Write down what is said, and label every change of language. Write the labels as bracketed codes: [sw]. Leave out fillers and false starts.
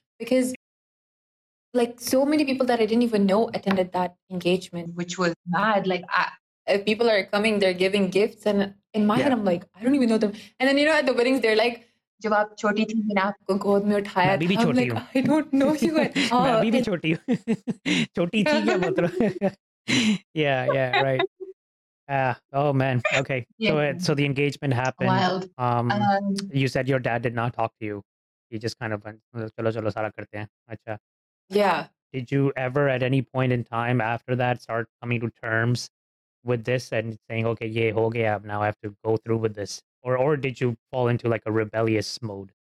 [en] Because like so many people that I didn't even know attended that engagement. Which was mad. Like if people are coming, they're giving gifts. And in my head, I'm like, I don't even know them. And then, you know, at the weddings, they're like, [hi] जब आप छोटी थी मैंने आपको गोद में उठाया मैं भी छोटी हूँ [en] I don't know you [hi] मैं भी छोटी हूँ छोटी थी क्या मतलब yeah yeah right oh man okay yeah. [en] so the engagement happened wild you said your dad did not talk to you he just kind of went [hi] चलो चलो सारा करते हैं अच्छा [en] yeah did you ever at any point in time after that start coming to terms with this and saying okay [hi] ये हो गया अब [en] now I have to go through with this Or did you fall into like a rebellious mode?